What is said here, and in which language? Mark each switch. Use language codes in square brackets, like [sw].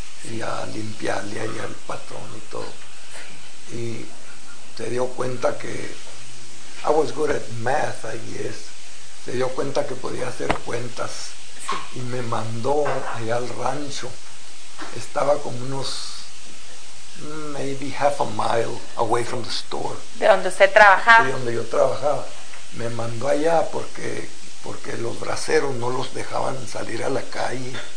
[es] Y a limpiarle ahí al patrón y todo. Y se dio cuenta que [en] I was good at math, I guess. [es] Se dio cuenta que podía hacer cuentas. Sí. Y me mandó allá al rancho estaba como unos [en] maybe half a mile away from the store. [es] De donde usted trabajaba. Sí, donde yo trabajaba. Me mandó allá porque los braceros no los dejaban salir a la calle.